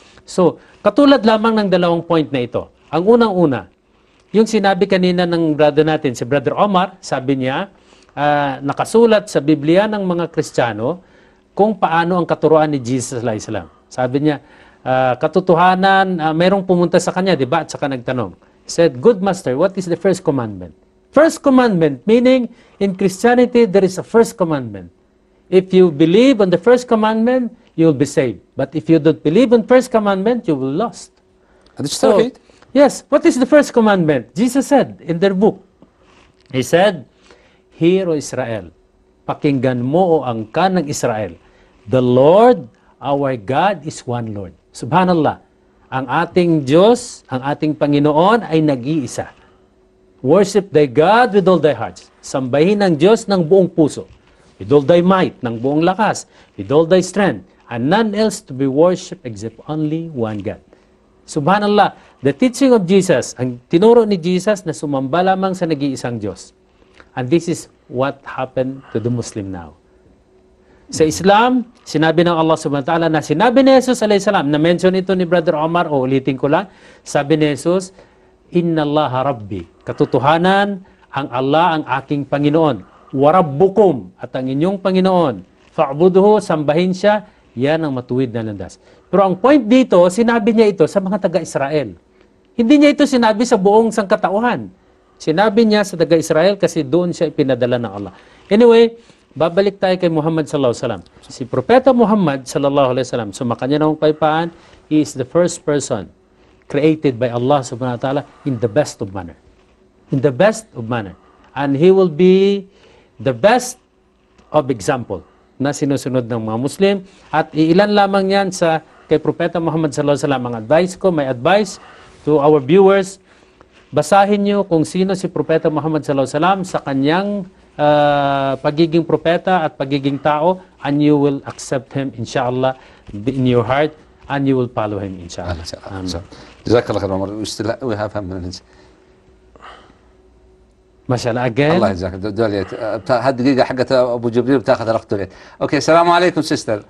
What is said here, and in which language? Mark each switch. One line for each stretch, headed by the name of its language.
Filipino: So, katulad lamang ng dalawang point na ito. Ang unang-una, yung sinabi kanina ng brother natin, si Brother Omar, sabi niya, nakasulat sa Biblia ng mga Kristiyano kung paano ang katuruan ni Jesus alaihi wasallam. Sabi niya, katotohanan, mayroong pumunta sa kanya, di ba? At saka nagtanong.
English: Said, good master, what is the first commandment? First commandment, meaning in Christianity, there is a first commandment. If you believe on the first commandment, you will be saved. But if you don't believe on first commandment, you will be lost. Understood? So, yes, what is the first commandment? Jesus said in their book, he said, hear, O Israel,
Filipino: pakinggan mo, O angka ng Israel,
English: the Lord, our God, is one Lord.
Filipino: Subhanallah, ang ating Diyos, ang ating Panginoon ay nag-iisa.
English: Worship thy God with all thy hearts.
Filipino: Sambahin ang Diyos ng buong puso,
English: with all thy might,
Filipino: ng buong lakas,
English: with all thy strength, and none else to be worshipped except only one God.
Filipino: Subhanallah,
English: the teaching of Jesus,
Filipino: ang tinuro ni Jesus na sumamba lamang sa nag-iisang Diyos.
English: And this is what happened to the Muslim now.
Filipino: Sa Islam, sinabi ng Allah subhanahu wa ta'ala na sinabi ni Jesus alayhi salam, na-mention ito ni Brother Omar, o ulitin ko lang, sabi ni Jesus,
Arabic: Inna Allah Rabbi,
Filipino: katotohanan, ang Allah ang aking Panginoon,
Arabic: wa Rabbukum,
Filipino: at ang inyong Panginoon,
Arabic: fa'buduhu,
Filipino: sambahin siya, yan ang matuwid na landas. Pero ang point dito, sinabi niya ito sa mga taga-Israel. Hindi niya ito sinabi sa buong sangkatauhan. Sinabi niya sa taga-Israel kasi doon siya ipinadala ng Allah. Anyway, babalik tayo kay Muhammad sallallahu alaihi wasallam. Si Propeta Muhammad sallallahu alaihi wasallam, sumaka niya ng paypaan,
English: he is the first person created by Allah subhanahu wa ta'ala in the best of manner. In the best of manner. And he will be the best of example
Filipino: na sinusunod ng mga Muslim. At ilan lamang yan sa kay Propeta Muhammad sallallahu alaihi wasallam. Ang advice ko,
English: my advice to our viewers,
Filipino: basahin niyo kung sino si Propeta Muhammad sallallahu alaihi wasallam sa kanyang pagiging propeta at pagiging tao,
English: and you will accept him inshallah
Filipino: in your heart, and you will follow him inshallah.
Arabic: Jazakallah khair.
English: We still have, we have 5 minutes. Mashallah again.
Arabic: Allah يجزاك دوليت. هالدقيقة حقت أبو جبريل بتاخذ الوقت دوليت. أوكي السلام عليكم سيستر.